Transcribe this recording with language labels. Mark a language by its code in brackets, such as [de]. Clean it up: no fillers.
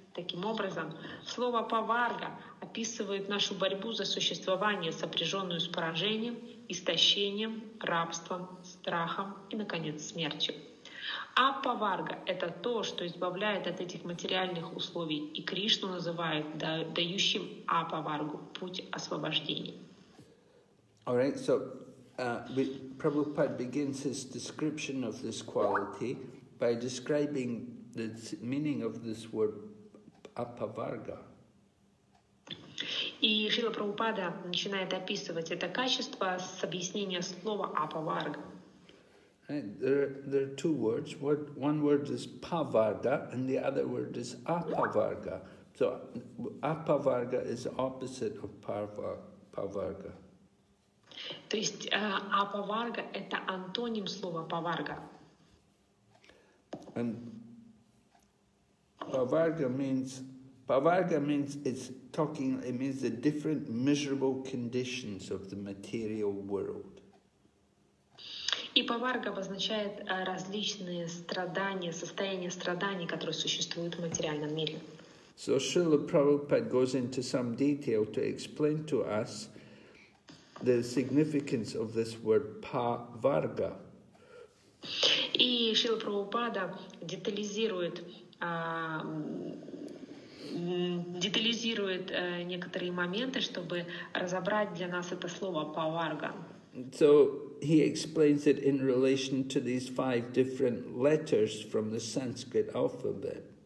[ru] Таким образом, слово «паварга» описывает нашу борьбу за существование, сопряженную с поражением, истощением, рабством, страхом и, наконец, смертью. Апаварга — это то, что избавляет от этих материальных условий, и Кришну называют дающим апаваргу — путь освобождения. [en] All right, so Prabhupada begins his description of this quality by describing the meaning of this word апаварга. [ru] И Шрила Прабхупада начинает описывать это качество с объяснения слова апаварга. [en] There are two words. One word is pavarga, and the other word is apavarga. So apavarga is the opposite of pavarga. [ru] То есть апаварга — это антоним слова паварга. [en] And pavarga means it's talking. It means the different miserable conditions of the material world. [ru] И паварга обозначает различные страдания, состояния страданий, которые существуют в материальном мире. [en] So Srila Prabhupada goes into some detail to explain to us the significance of this word paavarga. [ru] И Шрила Прабхупада детализирует некоторые моменты, чтобы разобрать для нас это слово паварга. [en] So he explains it in relation to these five different letters from the Sanskrit alphabet.